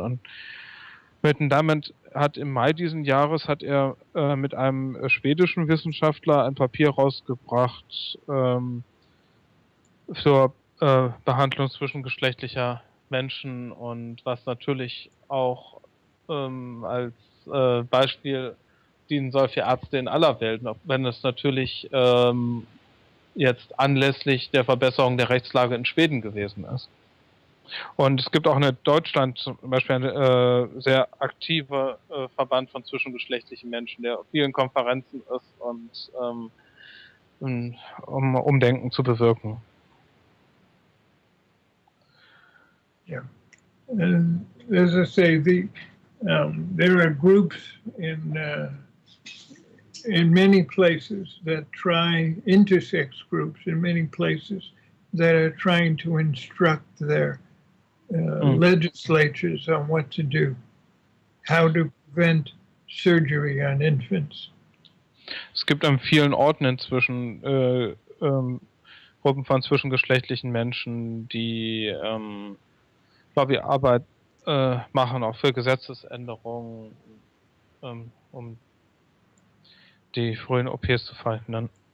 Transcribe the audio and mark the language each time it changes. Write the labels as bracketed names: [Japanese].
[German] Und Milton Diamond hat im Mai diesen Jahres hat er mit einem schwedischen Wissenschaftler ein Papier rausgebracht zur Behandlung zwischengeschlechtlicher Menschen und was natürlich auch als Beispiel dienen soll für Ärzte in aller Welt, wenn es natürlich jetzt anlässlich der Verbesserung der Rechtslage in Schweden gewesen ist. Und es gibt auch in Deutschland zum Beispiel einen sehr aktiven Verband von zwischengeschlechtlichen Menschen, der auf vielen Konferenzen ist und um Umdenken zu bewirken. [English] Yeah. As I say, there are groups in many places that try, intersex groups in many places that are trying to instruct their legislatures on what to do, how to prevent surgery on infants. [German] Es gibt an vielen Orten inzwischen Gruppen von zwischengeschlechtlichen Menschen, die Lobbyarbeit machen auch für Gesetzesänderungen, um die frühen OPs zu verhindern.